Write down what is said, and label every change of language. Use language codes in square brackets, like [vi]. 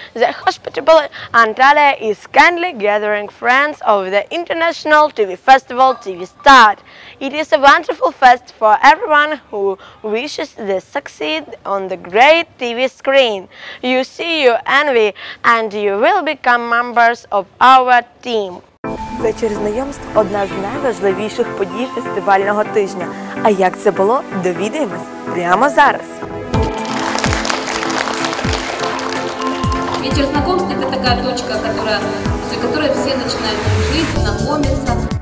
[en] The hospitable Antalya is kindly gathering friends of the international TV festival TV Start. It is a wonderful fest for everyone who wishes to succeed on the great TV screen. You see, you envy, and you will become members of our team. [uk] Вечір знайомств – одна з найважливіших подій фестивального тижня. А як це було, довідаємось прямо зараз. [ru] Вечер знакомств – это такая точка, после которой все начинают дружить, знакомиться.